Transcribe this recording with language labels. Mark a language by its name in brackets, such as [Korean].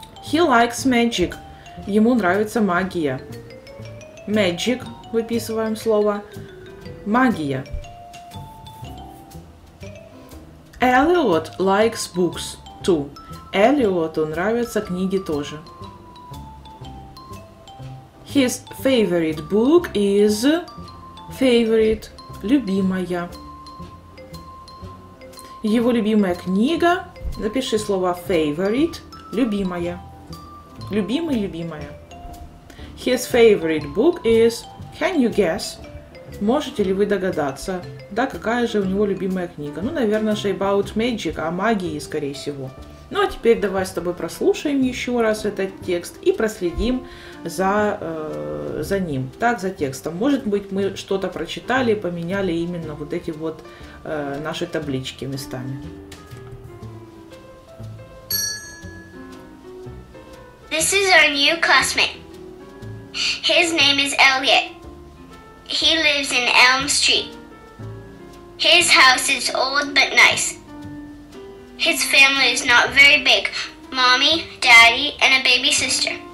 [English] He likes magic. [Russian] Ему нравится магия. Magic, выписываем слово. Магия. [English] Elliot likes books too. [Russian] Elliot'у нравятся книги тоже. [English] His favorite book is favorite, любимая. [Russian] Его любимая книга, напиши слово favorite, любимая. Любимый, любимая. [English] His favorite book is, can you guess? [Russian] Можете ли вы догадаться, да, какая же у него любимая книга? Ну, наверное, About Magic, о магии, скорее всего. Ну, а теперь давай с тобой прослушаем еще раз этот текст и проследим за ним. Так, за текстом. Может быть, мы что-то прочитали и поменяли именно вот эти вот наши таблички местами. [English] This is our new classmate. His name is Elliot. He lives in Elm Street. His house is old but nice. His family is not very big. Mommy, daddy, and a baby sister.